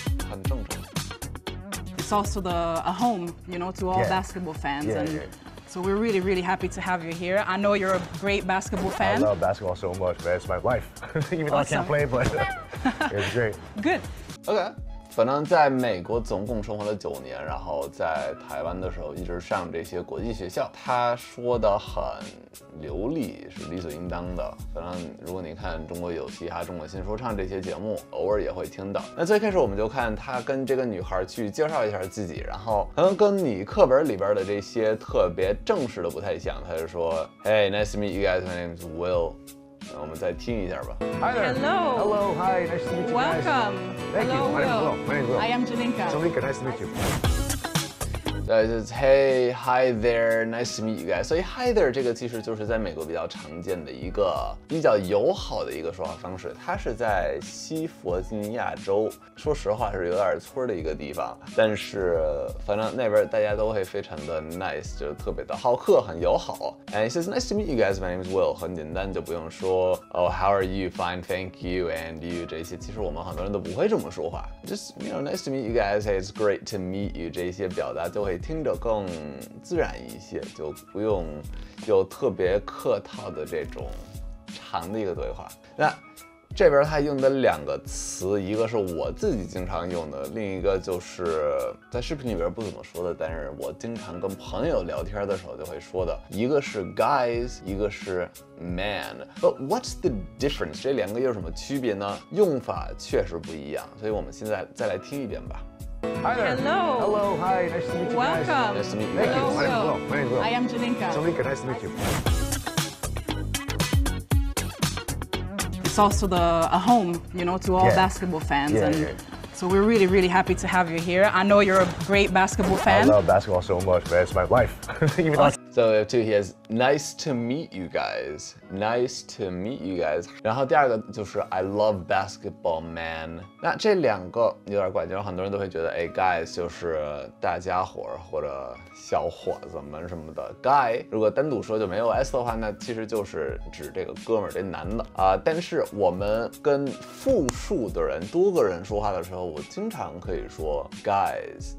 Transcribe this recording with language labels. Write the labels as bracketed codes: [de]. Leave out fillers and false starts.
[zh] 很正常。 [en] It's also a home, you know, to all basketball fans. Yeah, yeah. So we're really, really happy to have you here. I know you're a great basketball fan. I love basketball so much, man. It's my life. Even though I can't play, but it's great. Good. Okay. [zh] 反正在美国总共生活了九年，然后在台湾的时候一直上这些国际学校，他说的很流利，是理所应当的。反正如果你看中国有嘻哈、中国新说唱这些节目，偶尔也会听到。那最开始我们就看他跟这个女孩去介绍一下自己，然后可能跟你课本里边的这些特别正式的不太像，他就说 [en] Hey, nice to meet you guys, my name is Will. [zh] 那我们再听一下吧。 [en] Hi there. Hello. Hello. Hi. Nice to meet you. Welcome. Thank you. My name is Will. My name is Will. I am Janinka. Janinka, nice to meet you. [zh] 对，就是 [en] Hey, Hi there, Nice to meet you guys. [zh] 所以 Hi there 这个其实就是在美国比较常见的一个比较友好的一个说话方式。它是在西弗吉尼亚州，说实话是有点村的一个地方，但是反正那边大家都会非常的 nice， 就特别的好客，很友好。 [en] And it says Nice to meet you guys. My name is Will. [zh] 很简单，就不用说 [en] Oh, how are you? Fine, thank you. And you [zh] 这些，其实我们很多人都不会这么说话。 [en] Just you know, Nice to meet you guys. Hey, it's great to meet you. [zh] 这些表达就。会听着更自然一些，就不用有特别客套的这种长的一个对话。那这边他用的两个词，一个是我自己经常用的，另一个就是在视频里边不怎么说的，但是我经常跟朋友聊天的时候就会说的，一个是 guys， 一个是 man。 [en] But what's the difference？ [zh] 这两个有什么区别呢？用法确实不一样，所以我们现在再来听一遍吧。 [en] Hi there. Hello. Hello. Hi. Nice to meet you. Welcome. Nice to meet you. Thank you. My name is Will. My name is Will. I am Janinka. Janinka, nice to meet you. It's also a home, you know, to all basketball fans. Yeah, and yeah. So we're really, really happy to have you here. I know you're a great basketball fan. I love basketball so much, man. It's my life. Even awesome. So we have two. He has nice to meet you guys. Nice to meet you guys. [zh] 然后第二个就是 [en] I love basketball, man. [zh] 那这两个有点怪，就是很多人都会觉得，哎 ，guys 就是大家伙或者小伙子们什么的。 Guy 如果单独说就没有 s 的话，那其实就是指这个哥们儿，这男的啊。但是我们跟复数的人、多个人说话的时候，我经常可以说 guys。